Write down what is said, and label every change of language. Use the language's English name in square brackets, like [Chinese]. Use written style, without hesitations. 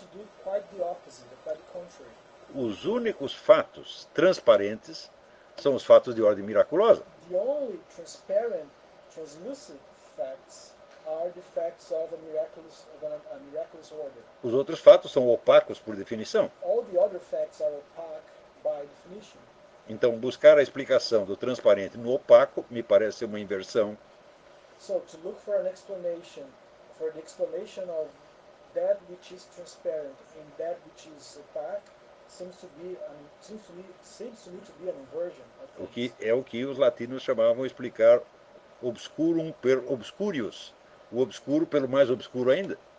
[English] We had to do quite the opposite, quite the contrary. [Portuguese] Os únicos fatos transparentes são os fatos de ordem miraculosa. [English] The only transparent, translucent facts are the facts of a miraculous order. [Portuguese] Os outros fatos são opacos por definição. [English] All the other facts are opaque by definition. [Portuguese] Então, buscar a explicação do transparente no opaco me parece uma inversão. [English] So, to look for an explanation, for the explanation of that which is transparent and that which is opaque seems to me to be an inversion. [Portuguese] O que é o que os latinos chamavam explicar [Latin] obscurum per obscurius, [Portuguese] o obscuro pelo mais obscuro ainda.